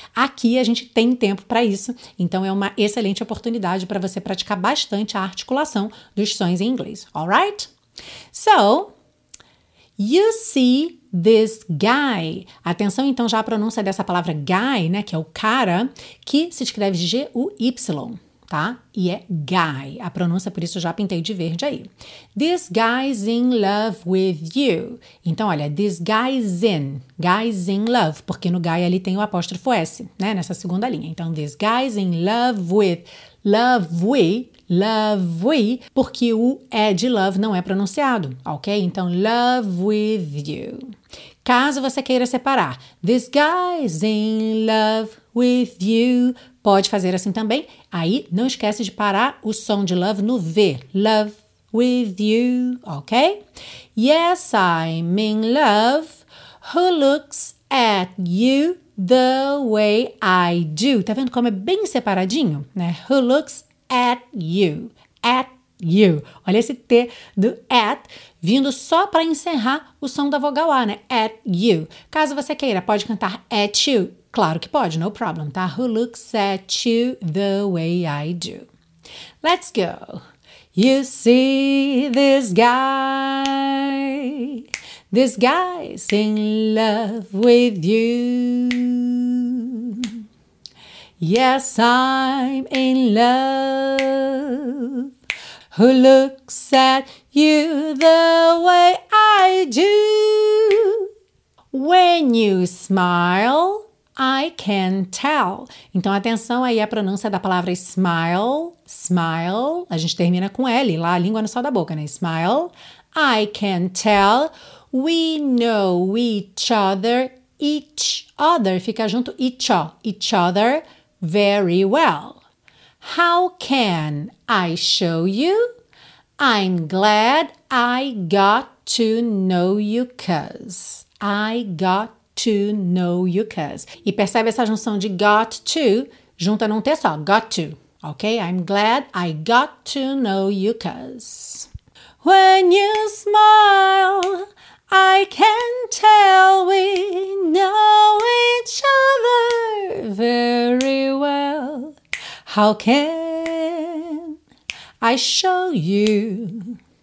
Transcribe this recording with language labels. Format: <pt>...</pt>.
<pt>Aqui a gente tem tempo para isso, então é uma excelente oportunidade para você praticar bastante a articulação dos sons em inglês,</pt> <en>alright? So, you see this guy.</en> <pt>Atenção então já à pronúncia dessa palavra guy, né, que é o cara, que se escreve G-U-Y, tá? E é guy. A pronúncia, por isso, eu já pintei de verde aí.</pt> <en>This guy's in love with you.</en> <pt>Então, olha,</pt> <en>this guy's in. Guy's in love,</en> <pt>porque no guy ali tem o apóstrofo S, né, nessa segunda linha. Então,</pt> <en>this guy's in love with,</en> <pt>love with, love with, porque o E de love não é pronunciado, ok? Então,</pt> <en>love with you.</en> <pt>Caso você queira separar,</pt> <en>this guy's in love with you,</en> <pt>pode fazer assim também. Aí, não esquece de parar o som de love no V,</pt> <en>love with you,</en> <pt>ok?</pt> <en>Yes, I'm in love, who looks at you the way I do.</en> <pt>Tá vendo como é bem separadinho, né?</pt> <en>Who looks at you, at you.</en> <pt>Olha esse T do at vindo só para encerrar o som da vogal A, né?</pt> <en>At you.</en> <pt>Caso você queira, pode cantar</pt> <en>at you.</en> <pt>Claro que pode,</pt> <en>no problem,</en> <pt>tá?</pt> <en>Who looks at you the way I do. Let's go. You see this guy. This guy's in love with you. Yes, I'm in love. Who looks at you the way I do? When you smile, I can tell.</en> <pt>Então, atenção aí à pronúncia da palavra smile. Smile. A gente termina com L, lá a língua no sol da boca, né?</pt> <en>Smile. I can tell. We know each other. Each other.</en> <pt>Fica junto.</pt> <en>Each, each other. Very well. How can I show you? I'm glad I got to know you, 'cause I got to know you, 'cause.</en> <pt>E percebe essa junção de</pt> <en>got to,</en> <pt>junta num T só, got to, ok?</pt> <en>I'm glad I got to know you, 'cause. When you smile, I can tell we know each other very well. How can I show you?</en>